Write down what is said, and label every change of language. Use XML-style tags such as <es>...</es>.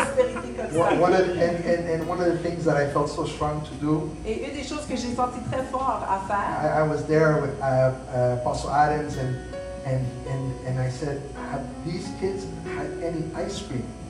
<en>And one of the things that I felt so strong to do.</en> <fr>Et une des choses que j'ai senti très fort à faire.</fr> <en>I was there with Apostle Adams and I said, have these kids had any ice cream?</en>